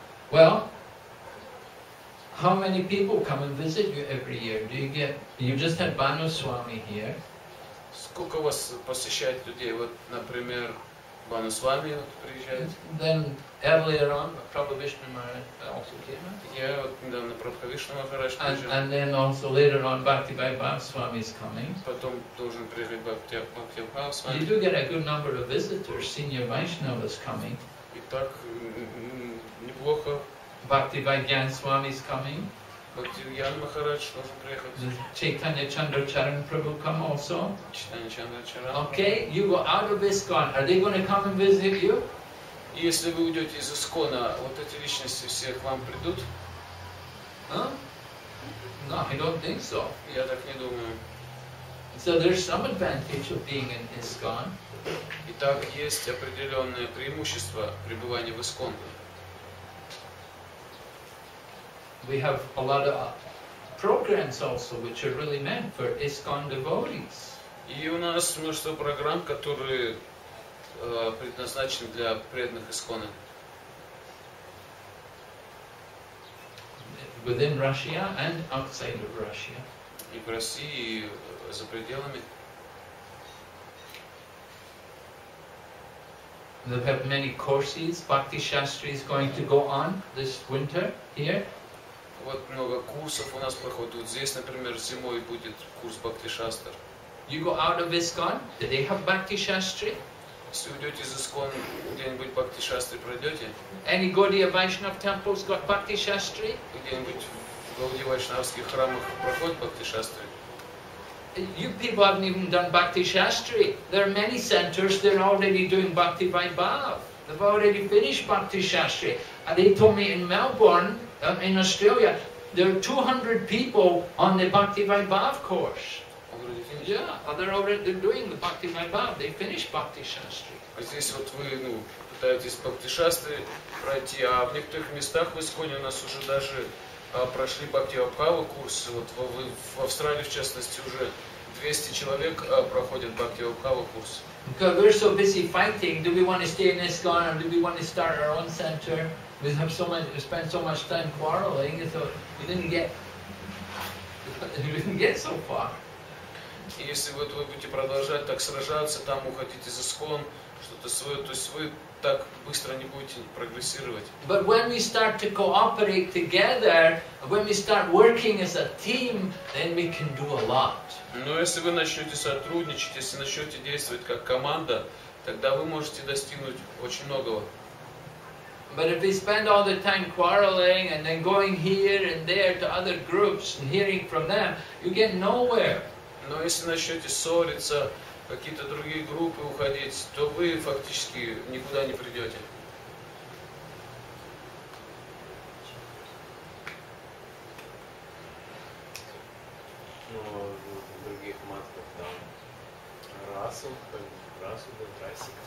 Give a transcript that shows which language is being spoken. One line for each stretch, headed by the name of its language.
English: Well, how many people come and visit you every year? Do you get? You just had Bhanu Swami here.
Russian: Сколько вас посещает людей? Вот, например, Бхану Свами приезжает.
English: Then earlier on, Prabhu Vishnu Maharaj also came.
Russian: Yeah, вот недавно Прабху Вишну Махарадж приезжал.
English: And then also later on, Bhakti Bhai Bhava Swami is coming.
Russian: Потом должен приехать Бхакти Бхакти Бхава Свами.
English: You do get a good number of visitors. Senior Vaishnavas coming.
Russian: Итак. Неплохо.
English: Бхакти Вайгьян Свами is coming.
Russian: Бхакти Вайгьян Махарадж должен приехать.
English: Чайтанья Чандрачаран Прабху come also.
Russian: Чайтанья Чандрачаран.
English: Okay, you go out of ISKCON. Are they going to come and visit you?
Russian: Если вы уйдете из ИСККОНа, вот эти личности все к вам придут?
English: No, I don't think so.
Russian: Я так не думаю.
English: So there's some advantage of being in ISKCON.
Russian: Итак, есть определенное преимущество пребывания в ИСККОН.
English: We have a lot of programs also, which are really meant for ISKCON devotees.
Russian: И у нас множество программ, которые предназначены для преданных ИСККОНа.
English: Within Russia and outside of Russia.
Russian: И в России, и за пределами.
English: They have many courses. Bhakti Shastri is going to go on this winter here.
Russian: Вот много курсов у нас проходит. Вот здесь, например, зимой будет курс Бхакти Шастр.
English: You go out of ISKCON? Do they have Bhakti Shastri?
Russian: если вы уйдете из Искон, где-нибудь Бхакти Шастри пройдете?
English: Any Gaudiya Vaishnav temples got Bhakti Shastri?
Russian: Где-нибудь в Гауди Вайшнавских храмах проходит Бхакти Шастри?
English: You people haven't even done Bhakti Shastri. There are many centers that are already doing Bhakti Vaibhav. They've already finished Bhakti Shastri. And they told me in Melbourne, in Australia, there are 200 people on the Bhakti Vaibhav course. Yeah, they're already doing the Bhakti Vaibhav. They finished Bhakti Shastri.
Russian: А здесь вот вы, ну, пытаетесь Бхакти Шастри пройти, а в некоторых местах в Исконе у нас уже даже прошли Бхакти Вайбхава курсы. Вот в Австралии, в частности, уже 200 человек проходят Бхакти Вайбхава курс.
English: Because we're so busy fighting, do we want to stay in Iskon or do we want to start our own center? We have so much, we spend so much time quarreling, so we didn't get so far.
Russian: Если вот вы будете продолжать так сражаться, там уходить из Искон, что-то свое, то есть вы так быстро не будете прогрессировать.
English: But when we start to cooperate together, when we start working as a team, then we can do a lot.
Russian: Но если вы начнете сотрудничать, если начнете действовать как команда, тогда вы можете достигнуть очень многого.
English: But if we spend all the time quarreling and then going here and there to other groups and hearing from them, you get nowhere.
Russian: Но если начнете ссориться, какие-то другие группы уходить, то вы фактически никуда не придете. Но в других матках там расу, да, расика.